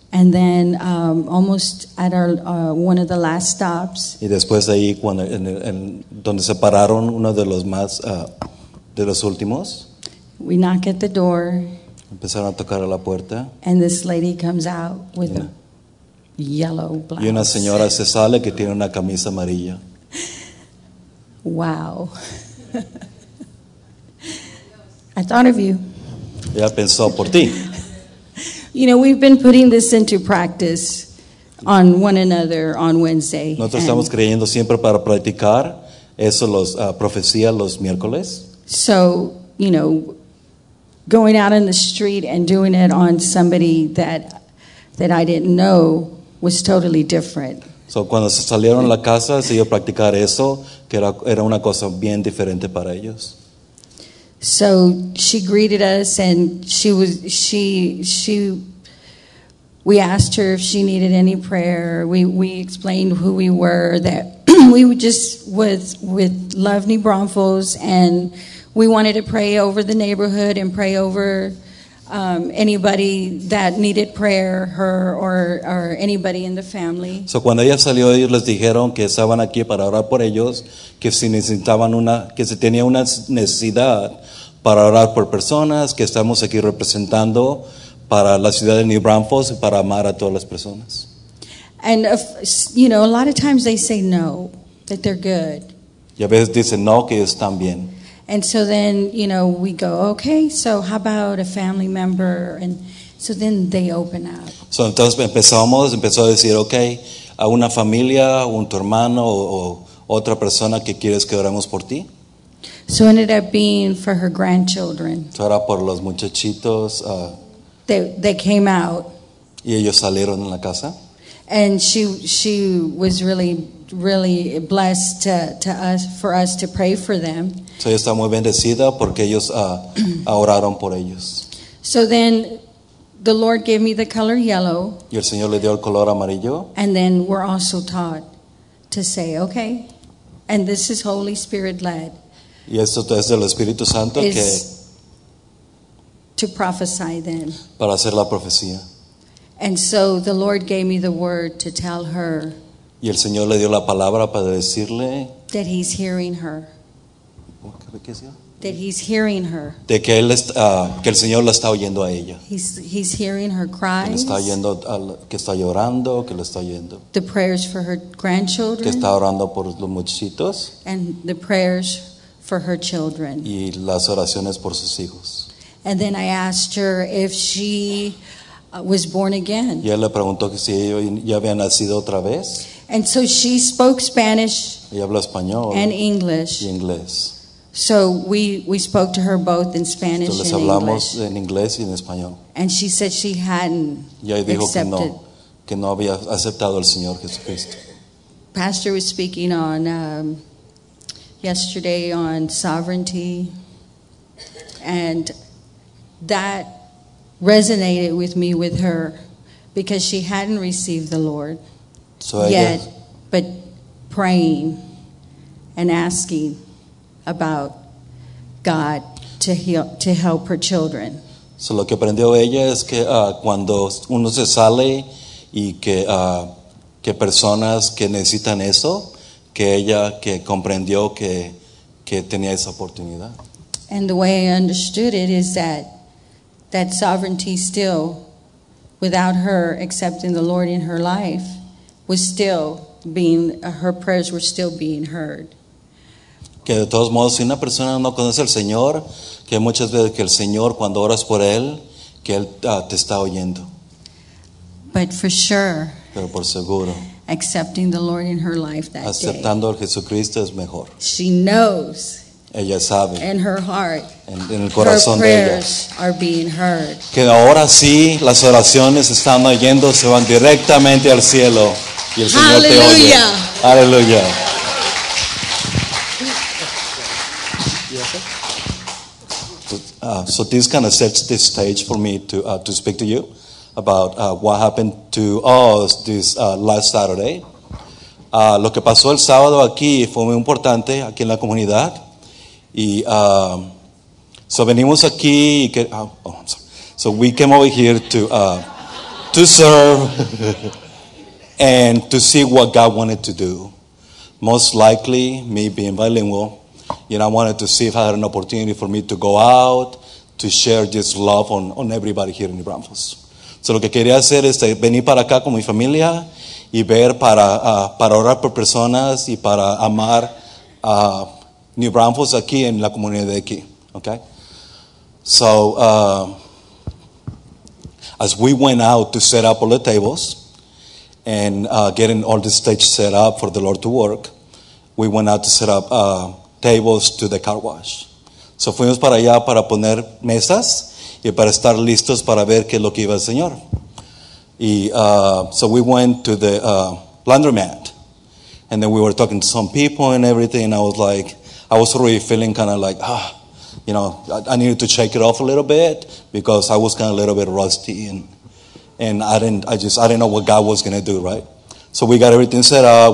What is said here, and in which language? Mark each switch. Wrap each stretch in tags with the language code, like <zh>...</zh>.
<en>And then almost at our one of the last stops.</en> <es>Y después de ahí, cuando, donde se pararon uno de los más, de los últimos.</es> <en>We knock at the door.</en> <es>Empezaron a tocar a la puerta.</es> <en>And this lady comes out with a yellow blouse.</en> <es>Y una señora se sale que tiene una camisa amarilla.</es> <en>Wow. I thought of you.</en> <es>Ella pensó por ti.</es> <en>You know, we've been putting this into practice on one another on Wednesday.</en> <es>Nosotros estamos creyendo siempre para practicar eso, los profecía los miércoles.</es> <en>So, you know, going out in the street and doing it on somebody that I didn't know was totally different.</en> <es>So cuando se salieron a la casa, se iba a practicar eso, que era una cosa bien diferente para ellos.</es> <en>So she greeted us and she We asked her if she needed any prayer. We explained who we were, that we were just with Love New Braunfels, and we wanted to pray over the neighborhood and pray over anybody that needed prayer, her or anybody in the family.</en> <es>So cuando ella salió, ellos les dijeron que estaban aquí para orar por ellos, que si necesitaban una, que si tenía una necesidad para orar por personas, que estamos aquí representando para la ciudad de New Braunfels y para amar a todas las personas.</es> <en>And if, you know, a lot of times they say no, that they're good.</en> <es>Y a veces dicen no, que ellos están bien.</es> <en>And so then, you know, we go, okay, so how about a family member? And so then they open up.</en> <es>So entonces empezó a decir, okay, a una familia, un tu hermano, o otra persona que quieres que oremos por ti.</es> <en>So it ended up being for her grandchildren.</en> <es>So era por los muchachitos.</es> <en>They came out.</en> <es>Y ellos salieron en la casa.</es> <en>And she was really, really blessed for us to pray for them.</en> <es>So ella está muy bendecida porque ellos oraron por ellos.</es> <en>So then the Lord gave me the color yellow.</en> <es>Y el Señor le dio el color amarillo.</es> <en>And then we're also taught to say, okay, and this is Holy Spirit led.</en> <es>Y esto es del Espíritu Santo que</es> <en>to prophesy then.</en> <es>Para hacer la profecía.</es> <en>And so the Lord gave me the word to tell her.</en> <es>Y el Señor le dio la palabra para decirle</es> <en>that he's hearing her. That he's hearing her.</en> <es>De que él está, que el Señor la está oyendo a ella.</es> <en>He's hearing her cries.</en> <es>Que está oyendo, que está llorando, que le está oyendo.</es> <en>The prayers for her grandchildren.</en> <es>Que está orando por los muchachitos.</es> <en>And the prayers for her children.</en> <es>Y las oraciones por sus hijos.</es> <en>And then I asked her if she was born again.</en> <es>Y él le preguntó que si ella ya había nacido otra vez.</es> <en>And so she spoke Spanish.</en> <es>Y habló español.</es> <en>And English.</en> <es>Y inglés.</es> <en>So we spoke to her both in Spanish</en> <es>entonces hablamos</es> <en>and English.</en> <es>En inglés y en español.</es> <en>And she said she hadn't</en> <es>y ahí dijo</es> <en>accepted.</en> <es>Que no había aceptado al Señor Jesucristo.</es> <en>Pastor was speaking on yesterday on sovereignty. And that resonated with me with her because she hadn't received the Lord so yet,</en> <es>ella,</es> <en>but praying and asking about God to heal, to help her children.</en> <es>So lo que aprendió ella es que cuando uno se sale y que personas que necesitan eso, que ella que comprendió que tenía esa oportunidad.</es> <en>And the way I understood it is that sovereignty still, without her accepting the Lord in her life, was still being, her prayers were still being heard.</en> <es>Que de todos modos, si una persona no conoce al Señor, que muchas veces que el Señor, cuando oras por Él, que Él te está oyendo.</es> <en>But for sure,</en> <es>pero por seguro,</es> <en>accepting the Lord in her life that</en> <es>aceptando</es> <en>day,</en> <es>al Jesucristo es mejor.</es> <en>She knows.</en> <es>Ella sabe.</es> <en>In her heart,</en> <es>en el corazón</es> <en>her prayers</en> <es>de ella,</es> <en>are being heard.</en> <es>Que ahora sí, las oraciones están oyendo, se van directamente al cielo. Y el Señor</es> <en>hallelujah</en> <es>te oye. Aleluya.</es> <en>So this kind of sets the stage for me to speak to you about what happened to us this last Saturday.</en> <es>Lo que pasó el sábado aquí fue muy importante aquí en la comunidad. Y so venimos aquí y que</es> <en>so we came over here to serve and to see what God wanted to do. Most likely me being bilingual, you know, I wanted to see if I had an opportunity for me to go out to share this love on everybody here in New Braunfels.</en> <es>So lo que quería hacer es venir para acá con mi familia y ver para orar por personas y para amar a New Braunfels aquí en la comunidad de aquí, okay?</es> <en>So, as we went out to set up all the tables and getting all the stage set up for the Lord to work, we went out to set up tables to the car wash.</en> <es>So fuimos para allá para poner mesas y para estar listos para ver qué es lo que iba el Señor.</es> <en>Y so we went to the laundromat and then we were talking to some people and everything and I was really feeling kind of like, you know, I needed to shake it off a little bit because I was kind of a little bit rusty and And I didn't know what God was going to do, right? So we got everything set up.</en>